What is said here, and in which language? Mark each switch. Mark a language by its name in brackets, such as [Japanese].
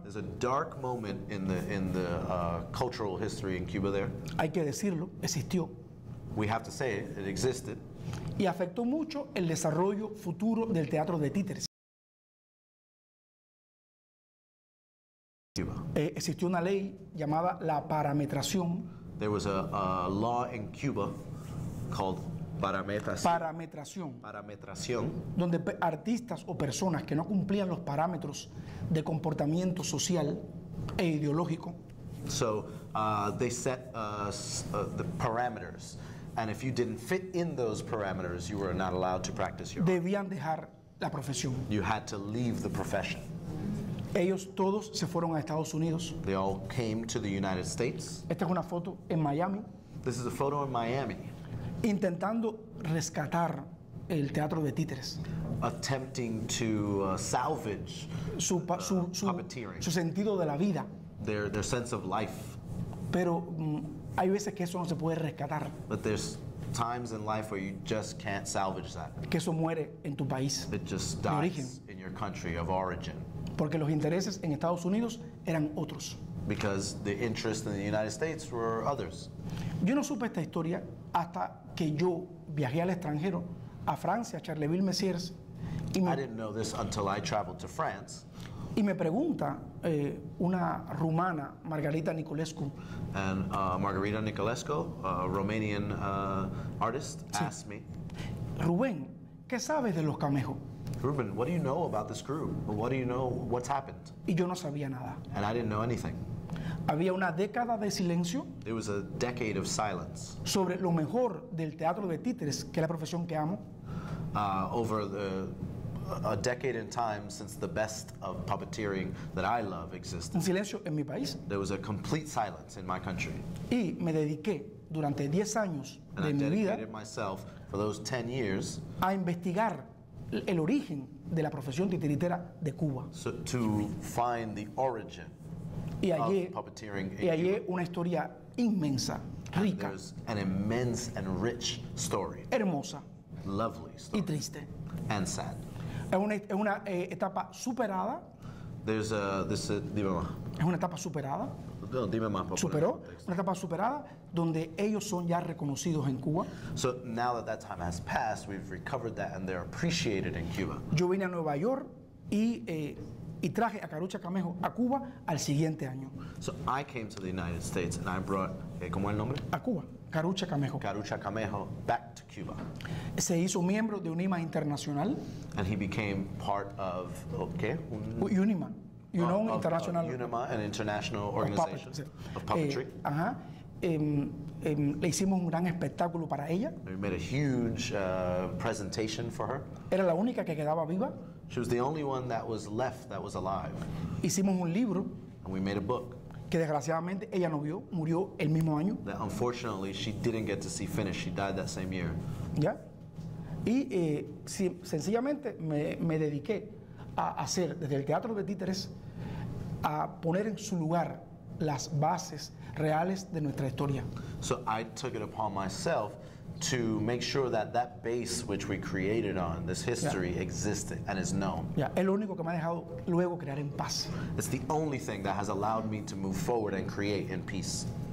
[English] There's a dark moment in the cultural history in Cuba there. [Spanish] Hay que decirlo, existió. [English] We have to say it existed. [Spanish] Y afectó mucho el desarrollo futuro del teatro de títeres. Cuba. Existió una ley llamada la parametración. [English] There was a law in Cuba called [Spanish] Parametración. Donde artistas o personas que no cumplían los parámetros de comportamiento social e ideológico. [English] So, they set the parameters. And if you didn't fit in those parameters, you were not allowed to practice your [Spanish] Debían dejar la profesión. [English] You had to leave the profession. [Spanish] Ellos todos se fueron a Estados Unidos. [English] They all came to the United States. [Spanish] Esta es una foto en Miami. [English] This is a photo in Miami. [Spanish] Intentando rescatar el teatro de títeres. [English] Attempting to salvage puppeteering. [Spanish] Su sentido de la vida. [English] Their sense of life. [Spanish] Pero hay veces que eso no se puede rescatar. [English] But there's times in life where you just can't salvage that. [Spanish] Que eso muere en tu país. [English] It just dies in your country of origin. [Spanish] Porque los intereses en Estados Unidos eran otros. [English] Because the interest in the United States were others. [Spanish] Yo no supe esta historia hasta que yo viajé al extranjero, a Francia, a Charleville-Mézières. [English] I didn't know this until I traveled to France. [Spanish] Y me pregunta una rumana, Margarita Niculescu. [English] And Margarita Niculescu, a Romanian artist, [Spanish] sí, [English] asked me. [Spanish] Rubén, ¿qué sabes de los camejos? [English] Ruben, what do you know about this group? What do you know, what's happened? [Spanish] Y yo no sabía nada. [English] And I didn't know anything. [Spanish] Había una década de silencio. [English] There was a decade of silence. [Spanish] Sobre lo mejor del teatro de títeres, que es la profesión que amo. [English] Over the, a decade in time since the best of puppeteering that I love existed. [Spanish] Un silencio en mi país. [English] There was a complete silence in my country. [Spanish] Y me dediqué durante 10 años [English] and [Spanish] de [English] I [Spanish] mi vida. [English] And I dedicated myself for those 10 years. [Spanish] A investigar el origen de la profesión titiritera de Cuba. [English] So to find the origin [Spanish] y hallé, [English] of puppeteering [Spanish] y hallé una historia inmensa, rica. [English] There's an immense and rich story. [Spanish] Hermosa. [English] Lovely story. [Spanish] Y triste. [English] And sad. [Spanish] Es una etapa superada. [English] There's a, this, [Spanish] dime más. Es una etapa superada. No, dime más, por superó. Una etapa superada donde ellos son ya reconocidos en Cuba. [English] So now that that time has passed, we've recovered that and they're appreciated in Cuba. [Spanish] Yo vine a Nueva York y traje a Carucha Camejo a Cuba al siguiente año. [English] So I came to the United States and I brought, [Spanish] ¿cómo es el nombre? A Cuba. Carucha Camejo. [English] Carucha Camejo, back to Cuba. [Spanish] Se hizo miembro de UNIMA Internacional. [English] And he became part of, [Spanish] ¿qué? [English] Okay, UNIMA. UNIMA, of, International. UNIMA, an international organization of puppetry. [Spanish] Ajá. Le hicimos un gran espectáculo para ella. [English] We made a huge presentation for her. [Spanish] Era la única que quedaba viva. [English] She was the only one that was left, that was alive. [Spanish] Hicimos un libro. [English] And we made a book. [Spanish] Que desgraciadamente ella no vio, murió el mismo año. [English] That unfortunately she didn't get to see Finnish, she died that same year. [Spanish] Ya. Y si, sencillamente me dediqué a hacer desde el Teatro de Títeres a poner en su lugar las bases reales de nuestra historia. [English] So I took it upon myself to make sure that that base which we created on, this history, yeah, existed and is known. [Spanish] Yeah, es lo único que me ha dejado luego crear en paz. [English] It's the only thing that has allowed me to move forward and create in peace.